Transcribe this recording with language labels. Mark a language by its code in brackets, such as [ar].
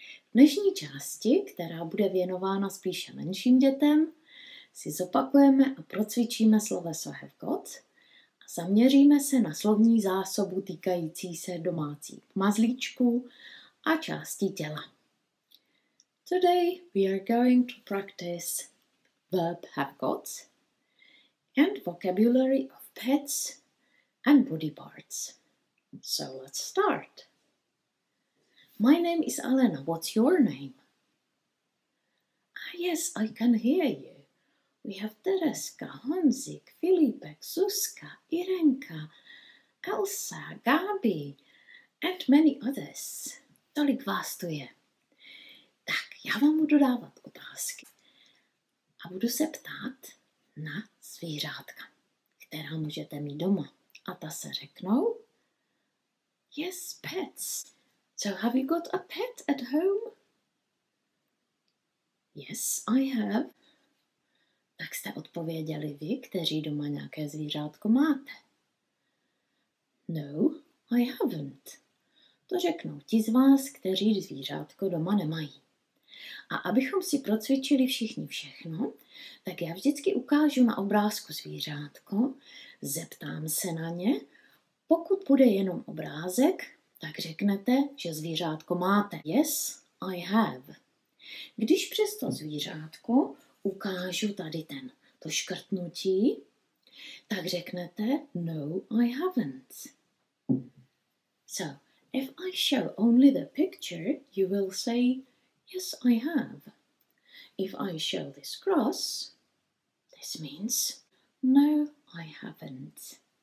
[cs] V dnešní části, která bude věnována spíše menším dětem, si zopakujeme a procvičíme sloveso have got a zaměříme se na slovní zásobu týkající se domácích mazlíčků a části těla. [en] Today we are going to practice verb have got and vocabulary of pets and body parts. So let's start. My name is Alena. What's your name? Ah, yes, I can hear you. We have Tereska, Honzik, Filipek, Suska, Irenka, Elsa, Gabi, and many others. [cs] Tolik vás tu je. Tak, já vám budu dávat otázky a budu se ptát na zvířátka, která můžete mít doma. A ta se řeknou, [en] yes, pets. So have you got a pet at home? Yes, I have. [cs] Tak jste odpověděli vy, kteří doma nějaké zvířátko máte. [en] No, I haven't. [cs] To řeknou ti z vás, kteří zvířátko doma nemají. A abychom si procvičili všichni všechno, tak já vždycky ukážu na obrázku zvířátko, zeptám se na ně. Pokud bude jenom obrázek, tak řeknete, že zvířátko máte. [en] Yes, I have. [cs] Když přesto zvířátko ukážu tady to škrtnutí, tak řeknete, [en] no, I haven't. So, if I show only the picture, you will say, yes, I have. If I show this cross, this means, no, I haven't.